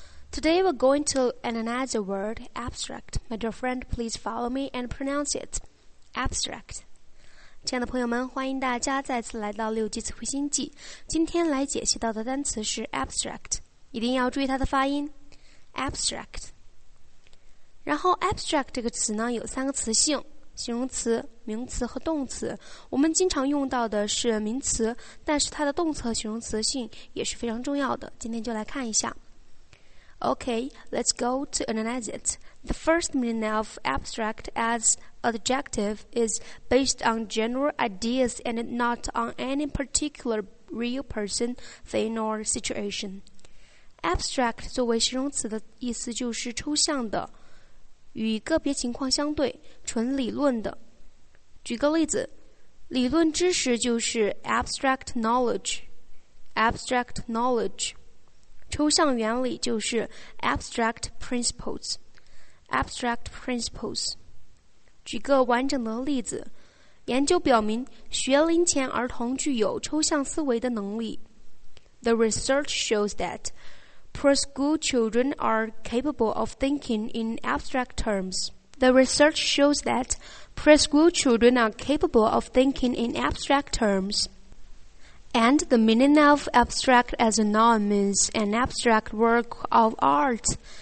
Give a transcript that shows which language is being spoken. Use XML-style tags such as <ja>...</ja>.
<en>Today we're going to analyze a word, abstract. My dear friend, please follow me and pronounce it. Abstract.</en> <zh>亲爱的朋友们，欢迎大家再次来到六级词汇星际。今天来解析到的单词是 abstract， 一定要注意它的发音。Abstract。然后 abstract 这个词呢，有三个词性。形容词、名词和动词，我们经常用到的是名词，但是它的动词和形容词性也是非常重要的，今天就来看一下。</zh> <en>Okay, let's go to analyze it. The first meaning of abstract as adjective is based on general ideas and not on any particular real person, thing or situation.</en> <zh>Abstract 作为形容词的意思就是抽象的，与个别情况相对，纯理论的。举个例子，理论知识就是</zh> <en>abstract knowledge， abstract knowledge，</en> <zh>抽象原理就是</zh> <en>abstract principles， abstract principles。</en> <zh>举个完整的例子，研究表明学龄前儿童具有抽象思维的能力。</zh> <en>The research shows that preschool children are capable of thinking in abstract terms. The research shows that preschool children are capable of thinking in abstract terms. And the meaning of abstract as a noun means an abstract work of art.</en>